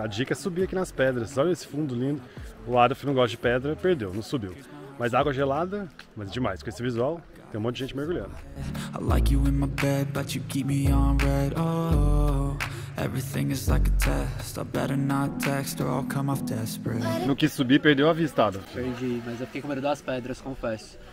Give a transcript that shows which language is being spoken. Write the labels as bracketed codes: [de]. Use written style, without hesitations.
[pt] A dica é subir aqui nas pedras. Olha esse fundo lindo. O Adolf não gosta de pedra, perdeu, não subiu. Mas água gelada, mas demais. Com esse visual, tem um monte de gente mergulhando. [en] I like you in my bed, but you keep me on red. Oh, everything is like a test. I better not text or I'll come off desperate. [pt] Não quis subir, perdeu a vista, Adolf. Perdi, mas eu fiquei com medo das pedras, confesso.